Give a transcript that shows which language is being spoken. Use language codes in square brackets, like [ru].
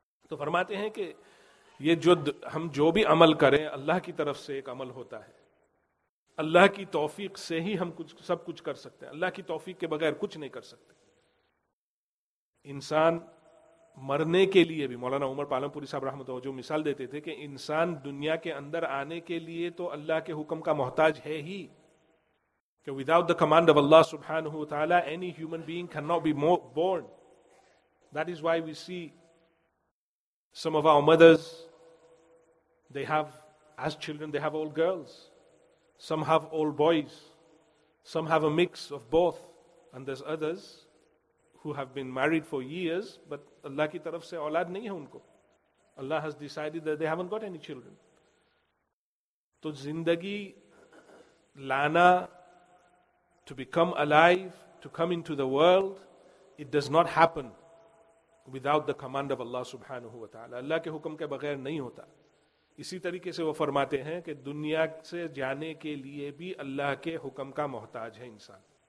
[ur] تو فرماتے ہیں کہ یہ جو ہم جو بھی عمل کریں اللہ کی طرف سے ایک عمل ہوتا ہے, اللہ کی توفیق سے ہی ہم کچھ سب کچھ کر سکتے ہیں, اللہ کی توفیق کے بغیر کچھ نہیں کر سکتے انسان. مرنے کے لیے بھی مولانا عمر پالمپوری صاحب رحمۃ اللہ جو مثال دیتے تھے کہ انسان دنیا کے اندر آنے کے لیے تو اللہ کے حکم کا محتاج ہے ہی, کہ [en] without the command of [ur] اللہ سبحانہ وتعالی [en] any human being cannot be born. That is why we see some of our mothers, they have as children they have all girls, some have all boys, some have a mix of both, and there's others who have been married for years but [ur] اللہ کی طرف سے اولاد نہیں ہے ان کو, [en] Allah has decided that they haven't got any children. [ur] تو زندگی لانا, [en] to become alive, to come into the world, it does not happen without the command of Allah subhanahu wa ta'ala. [ur] اللہ کے حکم کے بغیر نہیں ہوتا. اسی طریقے سے وہ فرماتے ہیں کہ دنیا سے جانے کے لیے بھی اللہ کے حکم کا محتاج ہے انسان.